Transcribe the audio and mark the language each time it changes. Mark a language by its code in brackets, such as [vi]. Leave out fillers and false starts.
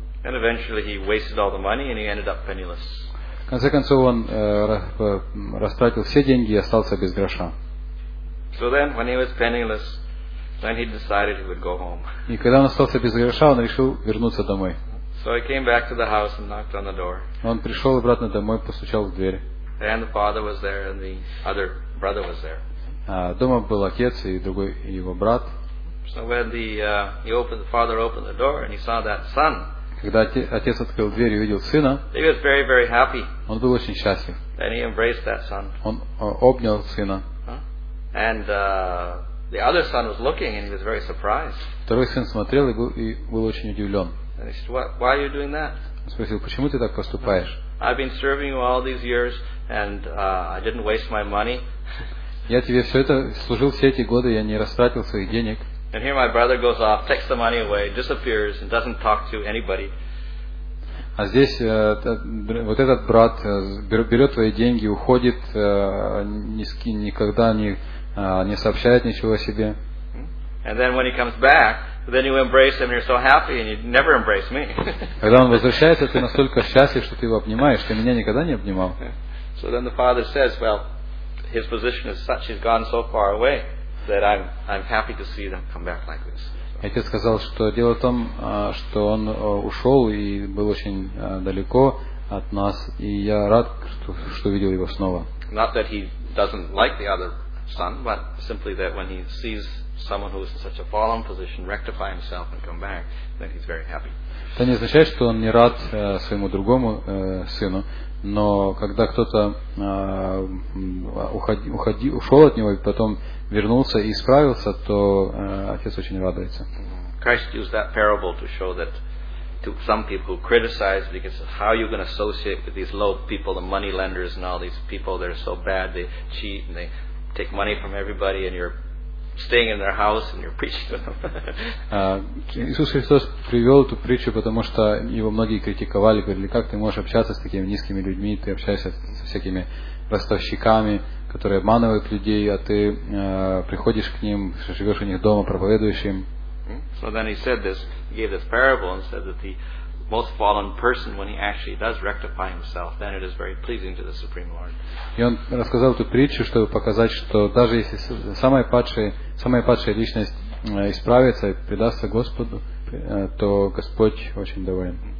[en] And eventually he wasted all the money and he ended up penniless. [ru] В конце концов он растратил все деньги и остался без гроша. [en] So then when he was penniless, then he decided he would go home. [ru] И когда он остался без гроша, он решил вернуться домой. [en] So he came back to the house and knocked on the door. [ru] Он пришел обратно домой, постучал в дверь. [en] And the father was there, and the other brother was there. [ru] Дома был отец и другой его брат. [en] So when the father opened the door and he saw that son. [ru] Когда отец открыл дверь и увидел сына. [en] He was very, very happy. [ru] Он был очень счастлив. [en] And he embraced that son. [ru] Он обнял сына. [en] And the other son was looking and he was very surprised. [ru] Второй сын смотрел и был очень удивлен. [en] And he said, "Why are you doing that?" [ru] Он спросил, почему ты так поступаешь? [en] I've been serving you all these years, and I didn't waste my money. [ru] Я тебе все это служил все эти годы, я не растратил своих денег. [en] And here my brother goes off, takes the money away, disappears, and doesn't talk to anybody. [ru] А здесь вот этот брат берет твои деньги, уходит, никогда не сообщает ничего о себе. [en] And then when he comes back. Then you embrace him, and you're so happy, and you never embrace me. [ru] Когда он возвращается, ты настолько счастлив, что ты его обнимаешь, ты меня никогда не обнимал. [en] So then the father says, "Well, his position is such; he's gone so far away that I'm happy to see them come back like this." [ru] Отец сказал, что дело в том, что он ушел и был очень далеко от нас, и я рад, что видел его снова. [en] Not that he doesn't like the other son, but simply that when he sees someone who is in such a fallen position rectify himself and come back, then he's very happy. [ru] Это не означает, что он не рад своему другому сыну, но когда кто-то ушел от него и потом вернулся и исправился, то отец очень радуется. [en] Christ used that parable to show that to some people who criticize because how are you going to associate with these low people, the money lenders and all these people that are so bad, they cheat and they take money from everybody and you're staying in their house and you're preaching to them. [ru] Иисус Христос привел эту притчу, потому что его многие критиковали, говорили, как ты можешь общаться с такими низкими людьми, ты общаешься со всякими ростовщиками, которые обманывают людей, а ты приходишь к ним, живешь у них дома, проповедуешь им. [en] So then he said this, he gave this parable and said that the most fallen person, when he actually does rectify himself, then it is very pleasing to the Supreme Lord. [ru] И он рассказал эту притчу, чтобы показать, что даже если самая падшая личность исправится и предастся Господу, то Господь очень доволен.